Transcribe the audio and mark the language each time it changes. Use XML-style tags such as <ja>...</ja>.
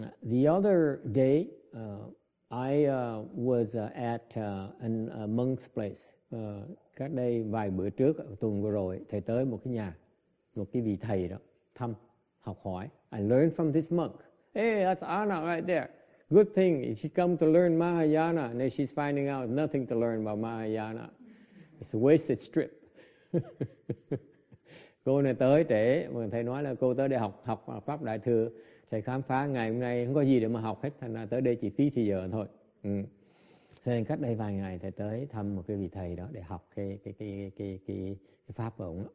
<en>The other day, I was at a monk's place.</en> <vi>Cách đây vài bữa trước, tuần vừa rồi, thầy tới một cái nhà, một cái vị thầy đó, thăm, học hỏi.</vi> <en>I learned from this monk. Hey, that's Anna right there. Good thing, she come to learn Mahayana, and then she's finding out nothing to learn about Mahayana. It's a wasted trip.</en> <vi>Cô này tới trễ, mà thầy nói là cô tới đây học pháp đại thừa, thầy khám phá ngày hôm nay không có gì để mà học hết, thành ra tới đây chỉ phí thời giờ thôi. Thế nên cách đây vài ngày thầy tới thăm một cái vị thầy đó để học cái pháp của ông.</vi>